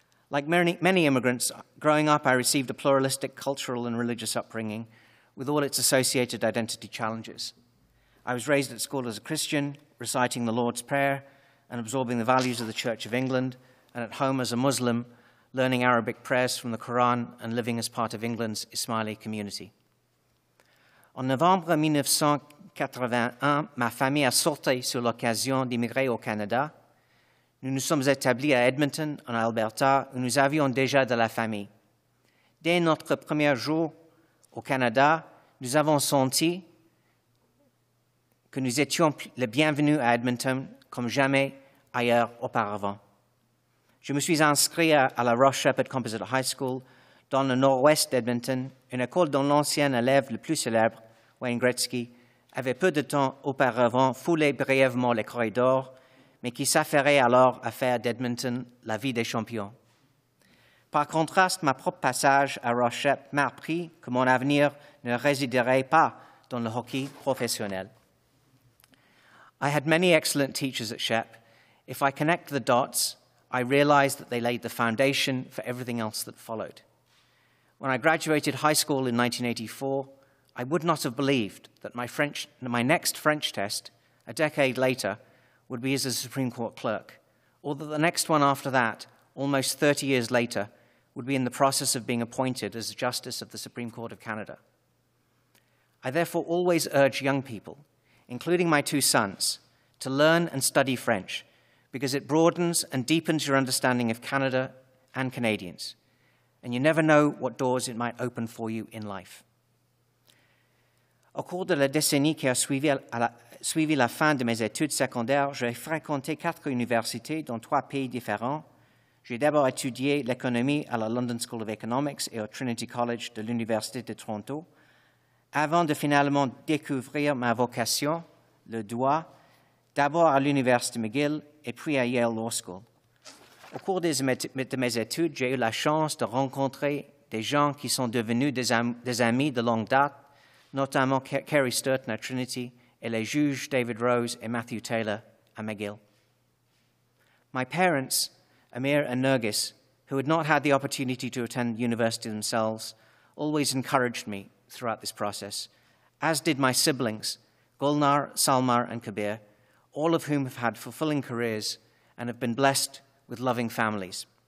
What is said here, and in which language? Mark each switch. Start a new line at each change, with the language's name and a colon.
English: Like many immigrants, growing up, I received a pluralistic cultural and religious upbringing with all its associated identity challenges. I was raised at school as a Christian, reciting the Lord's Prayer and absorbing the values of the Church of England, and at home as a Muslim, learning Arabic prayers from the Quran and living as part of England's Ismaili community.
French: En novembre 1981, ma famille a sauté sur l'occasion d'immigrer au Canada. Nous nous sommes établis à Edmonton, en Alberta, où nous avions déjà de la famille. Dès notre premier jour au Canada, nous avons senti que nous étions les bienvenus à Edmonton comme jamais ailleurs auparavant. Je me suis inscrit à la Ross Shepherd Composite High School dans le nord-ouest d'Edmonton, une école dont l'ancien élève le plus célèbre, Wayne Gretzky, avait peu de temps auparavant foulé brièvement les corridors, mais qui s'affairait alors à faire d'Edmonton la vie des champions. Par contraste, ma propre passage à Ross Shepherd m'a appris que mon avenir ne résiderait pas dans le hockey professionnel.
English: I had many excellent teachers at Shep. If I connect the dots, I realize that they laid the foundation for everything else that followed. When I graduated high school in 1984, I would not have believed that my next French test, a decade later, would be as a Supreme Court clerk, or that the next one after that, almost 30 years later, would be in the process of being appointed as a Justice of the Supreme Court of Canada. I therefore always urge young people, including my two sons, to learn and study French, because it broadens and deepens your understanding of Canada and Canadians, and you never know what doors it might open for you in life.
French: Au cours de la décennie qui a suivi la fin de mes études secondaires, j'ai fréquenté quatre universités dans trois pays différents. J'ai d'abord étudié l'économie à la London School of Economics et au Trinity College de l'Université de Toronto, avant de finalement découvrir ma vocation, le droit, d'abord à l'Université McGill et puis à Yale Law School. Au cours de mes études, j'ai eu la chance de rencontrer des gens qui sont devenus des amis de longue date, notamment Kerry Sturton à Trinity et les juges David Rose et Matthew Taylor à McGill.
English: My parents, Amir and Nergis, who had not had the opportunity to attend university themselves, always encouraged me throughout this process, as did my siblings, Gulnar, Salmar, and Kabir, all of whom have had fulfilling careers and have been blessed with loving families.